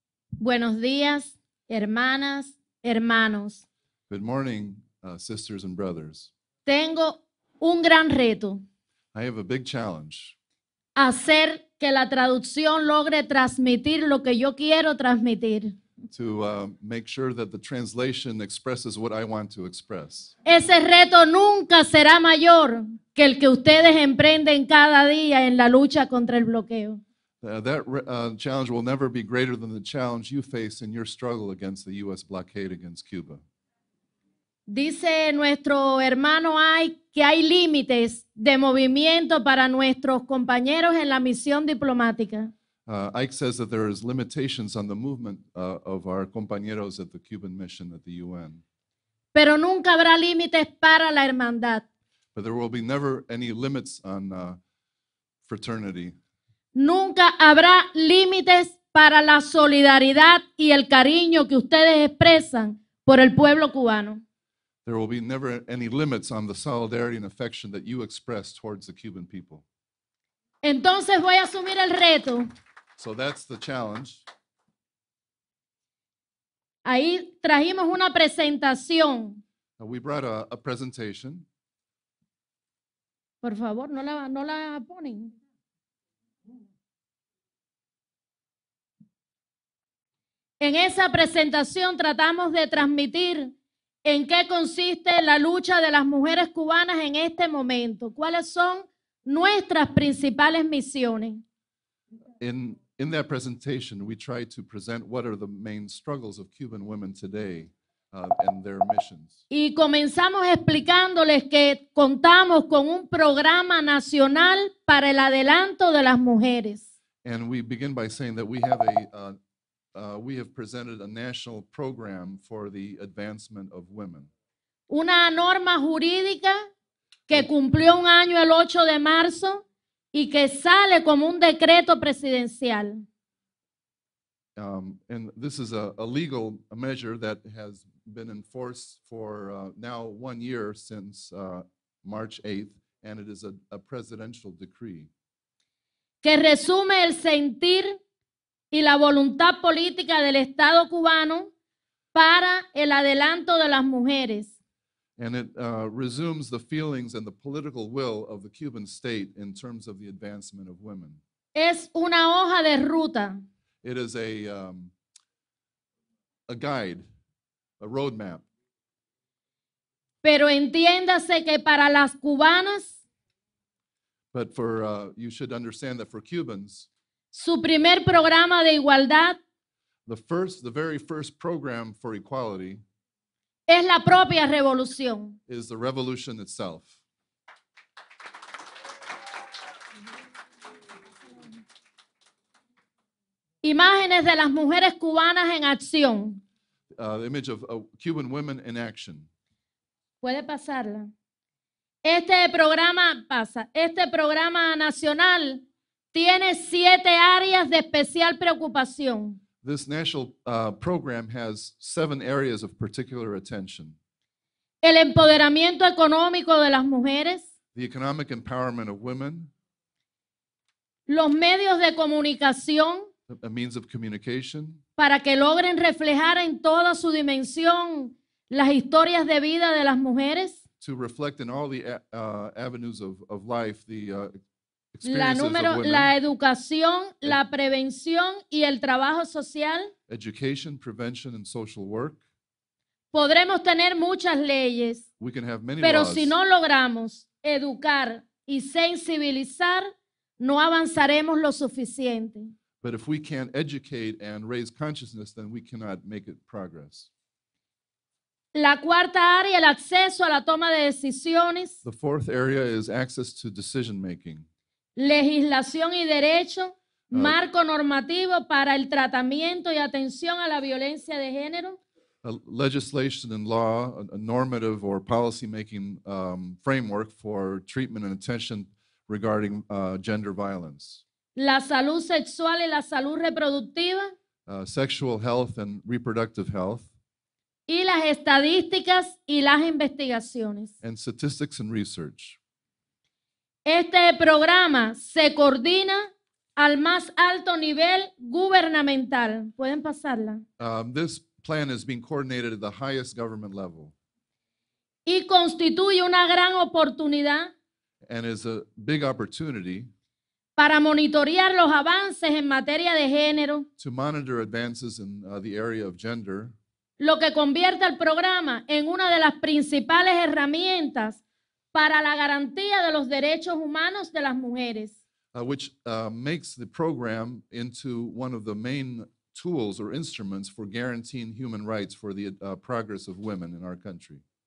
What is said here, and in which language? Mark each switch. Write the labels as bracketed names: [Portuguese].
[Spanish] Buenos días, hermanas, hermanos. [English] Good morning, sisters and brothers. [Spanish] Tengo un gran reto. [English] I have a big challenge. [Spanish] Hacer que la traducción logre transmitir lo que yo quiero transmitir. [English] To make sure that the translation expresses what I want to express. [Spanish] Ese reto nunca será mayor que el que ustedes emprenden cada día en la lucha contra el bloqueo. [English] That challenge will never be greater than the challenge you face in your struggle against the U.S. blockade against Cuba. [Spanish] Dice nuestro hermano Ay que hay límites de movimiento para nuestros compañeros en la misión diplomática. [English] Ike says that there is limitations on the movement of our compañeros at the Cuban mission at the UN. [Spanish] Pero nunca habrá límites para la hermandad. [English] But there will be never any limits on fraternity. [Spanish] Nunca habrá límites para la solidaridad y el cariño que ustedes expresan por el pueblo cubano. [English] There will be never any limits on the solidarity and affection that you express towards the Cuban people. [Spanish] Entonces voy a asumir el reto. [English] So that's the challenge. [Spanish] Ahí trajimos una presentación. [English] We brought a presentation. [Spanish] Por favor, no la ponen. En esa presentación tratamos de transmitir en qué consiste la lucha de las mujeres cubanas en este momento. ¿Cuáles son nuestras principales misiones? [English] In that presentation, we try to present what are the main struggles of Cuban women today and their missions. [Spanish] Y comenzamos explicándoles que contamos con un programa nacional para el adelanto de las mujeres. [English] And we begin by saying that we have presented a national program for the advancement of women. [Spanish] Una norma jurídica que cumplió un año el 8 de marzo y que sale como un decreto presidencial. [English] And this is a legal measure that has been in force for now 1 year since March 8th, and it is a presidential decree. [Spanish] Que resume el sentir y la voluntad política del Estado cubano para el adelanto de las mujeres. [English] And it resumes the feelings and the political will of the Cuban state in terms of the advancement of women. [Spanish] Es una hoja de ruta. [English] It is a guide, a roadmap. [Spanish] Pero entiéndase que para las cubanas, [English] but for you should understand that for Cubans, [Spanish] su primer programa de igualdad, [English] the very first program for equality, [Spanish] es la propia revolución, [English] is the revolution itself. [Spanish] Imágenes de las mujeres cubanas en acción. [English] The image of Cuban women in action. [Spanish] Puede pasarla. Este programa pasa. Este programa nacional tiene 7 áreas de especial preocupación. [English] This national program has 7 areas of particular attention. [Spanish] El empoderamiento económico de las mujeres. [English] The economic empowerment of women. [Spanish] Los medios de comunicación. [English] A means of communication. [Spanish] Para que logren reflejar en toda su dimensión las historias de vida de las mujeres. [English] To reflect in all the avenues of life the experiences [Spanish] la número, [English] of women. [Spanish] La educación, la prevención y el trabajo social. [English] Education, prevention, and social work. [Spanish] Podremos tener muchas leyes. [English] We can have many [Spanish] pero [English] laws. [Spanish] Si no logramos educar y sensibilizar, no avanzaremos lo suficiente. [English] But if we can't educate and raise consciousness, then we cannot make it progress. [Spanish] La cuarta área, el acceso a la toma de decisiones. [English] The fourth area is access to decision making. [Spanish] Legislación y derecho, marco normativo para el tratamiento y atención a la violencia de género. [English] Legislation and law, a normative or policy making framework for treatment and attention regarding gender violence. [Spanish] La salud sexual y la salud reproductiva. [English] Sexual health and reproductive health. [Spanish] Y las estadísticas y las investigaciones. [English] And statistics and research. [Spanish] Este programa se coordina al más alto nivel gubernamental. Pueden pasarla. [English] This plan is being coordinated at the highest government level. [Spanish] Y constituye una gran oportunidad. [English] And is a big opportunity. [Spanish] Para monitorear los avances en materia de género. [English] To monitor advances in the area of gender. [Spanish] Lo que convierte al programa en una de las principales herramientas para la garantía de los derechos humanos de las mujeres. [English] Which makes the program into one of the main tools or instruments for guaranteeing human rights for the progress of women in our country.